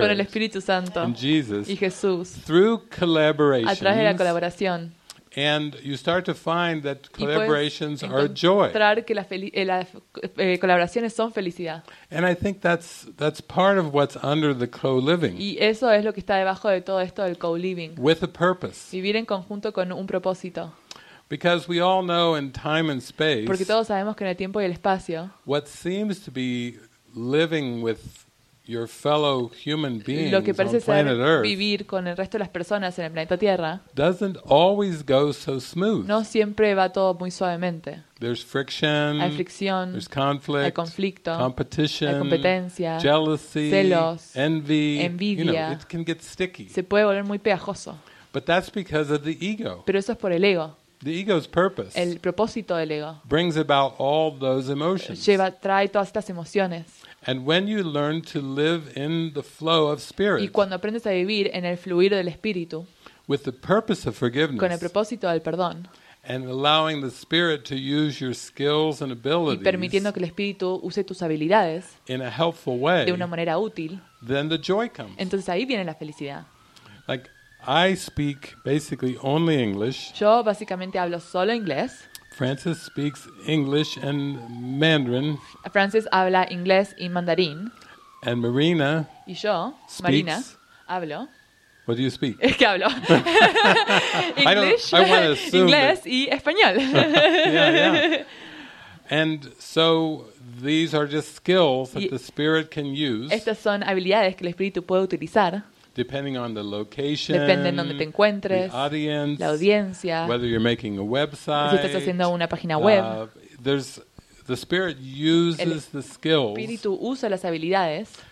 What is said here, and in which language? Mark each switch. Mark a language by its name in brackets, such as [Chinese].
[Spanish] Con el Espíritu Santo. [English] And Jesus. [Spanish] Y Jesús. [English] Through collaboration. [Spanish] A través de la colaboración. [English] And you start to find that collaborations are joy. [Spanish] Encontrar que las colaboraciones son felicidad. [English] And I think that's part of what's under the co-living. [Spanish] Y eso es lo que está debajo de todo esto del co-living. [English] With a purpose. [Spanish] Vivir en conjunto con un propósito. [English] Because we all know in time and space. [Spanish] Porque todos sabemos que en el tiempo y el espacio. [English] What seems to be living with your fellow human beings [Spanish] lo que parece [English] on planet [Spanish] ser vivir con el resto de las personas en el planeta Tierra [English] doesn't always go so smooth. [Spanish] No siempre va todo muy suavemente. [English] There's friction. [Spanish] Hay fricción. [English] There's conflict. [Spanish] Hay conflicto. [English] Competition. [Spanish] Hay competencia. [English] Jealousy. [Spanish] Celos. [English] Envy. [Spanish] Envidia. [English] You know, it can get sticky. [Spanish] Se puede volver muy pegajoso. [English] But that's because of the ego. [Spanish] Pero eso es por el ego. [English] The ego's purpose. [Spanish] El propósito del ego. [English] Brings about all those emotions. [Spanish] Lleva, trae todas estas emociones. [English] And when you learn to live in the flow of spirit, [Spanish] y cuando aprendes a vivir en el fluir del espíritu, [English] with the purpose of forgiveness, [Spanish] con el propósito del perdón, [English] and allowing the spirit to use your skills and abilities, [Spanish] y permitiendo que el espíritu use tus habilidades, [English] in a helpful way, [Spanish] de una manera útil, [English] then the joy comes. [Spanish] Entonces ahí viene la felicidad. [English] Like I speak basically only English. [Spanish] Yo básicamente hablo solo inglés. [English] Francis speaks English and Mandarin. [Spanish] Francis habla inglés y mandarín. [English] And Marina. [Spanish] Y yo, [English] speaks. [Spanish] Marina, hablo. [English] What do you speak? [Spanish] Es que hablo. [English] English. I want to assume [Spanish] inglés y español. [English] Yeah. And so these are just skills that the spirit can use. [Spanish] Estas son habilidades que el espíritu puede utilizar. [English] Depending on the location, [Spanish] depende en donde te encuentres, [English] the audience, [Spanish] la audiencia, [English] whether you're making a website, [Spanish] si estás haciendo una página web, [English] the spirit uses [Spanish] el [English] the skills [Spanish] espíritu usa las habilidades